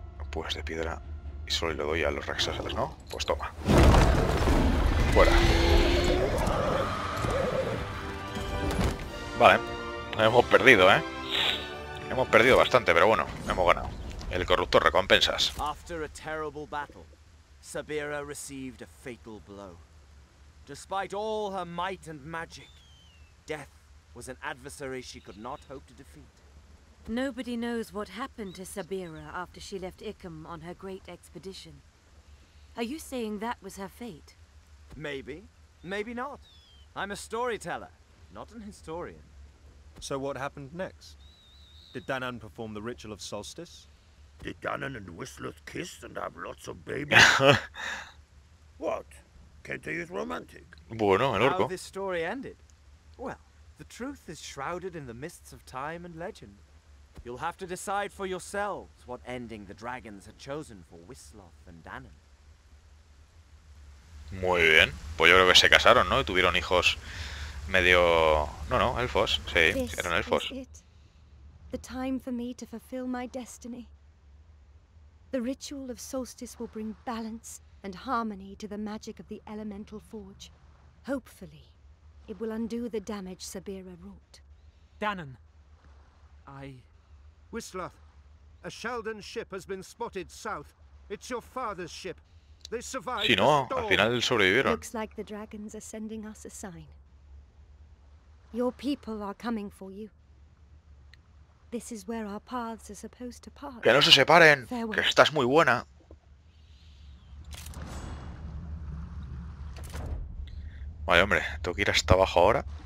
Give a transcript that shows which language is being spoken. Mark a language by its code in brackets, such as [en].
[es] Pues de piedra. Y solo le doy a los Rakshasas, ¿no? Pues toma. Fuera. Vale. Hemos perdido, ¿eh? Hemos perdido bastante, pero bueno, hemos ganado. El corruptor, recompensas. [en] After a terrible battle, Sabira received a fatal blow. Despite all her might and magic, death was an adversary she could not hope to defeat. Nobody knows what happened to Sabira after she left Ikkum on her great expedition. Are you saying that was her fate? Maybe, maybe not. I'm a storyteller, not an historian. So what happened next? Did Danann perform the ritual of solstice? Did Danann and Wisloth kiss and have lots of babies? What? Kente is romantic. [es] Bueno, el orco. [en] How this story ended? Well, the truth is shrouded in the mists of time and legend. You'll have to decide for yourselves what ending the dragons had chosen for Wisloth and Danann. [es] Muy bien. Pues yo creo que se casaron, ¿no? Y tuvieron hijos medio... No, no, elfos. Sí, eran elfos. [en] The time for me to fulfill my destiny. The ritual of solstice will bring balance and harmony to the magic of the elemental forge. Hopefully, it will undo the damage Sabira wrought. Danann, I... Wisloth, a Sheldon ship has been spotted south. It's your father's ship. They survived. [es] Si no, al final sobrevivieron. [en] Looks like the dragons are sending us a sign. Your people are coming for you. This is where our paths are supposed to part. [es] Que no se separen. [en] Farewell. [es] Que estás muy buena. Vale, hombre, tengo que ir hasta abajo ahora.